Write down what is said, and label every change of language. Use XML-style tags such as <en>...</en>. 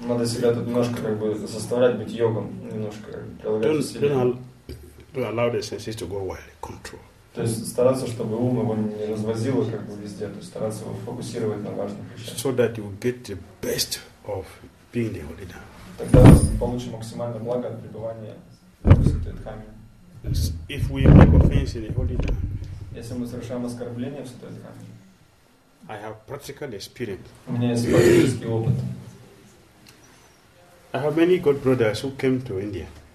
<ru>Надо себя тут немножко как бы заставлять быть йогом, немножко прилагать усилия.</ru> <en>Don't allow the senses to go wild. Control.</en> <ru>То есть стараться, чтобы ум его не развозило как бы везде, то есть стараться его фокусировать на важных вещах.</ru> <en>So that you get the best of being the holy dove.</en> <ru>Тогда мы получим максимальное благо от пребывания в Святой Дхамме.</ru> <en>If we make offense in the holy dove.</en> <ru>Если мы совершаем оскорбление в Святой Дхамме.</ru> <en>I have practical experience. I have many good brothers who came to India.</en>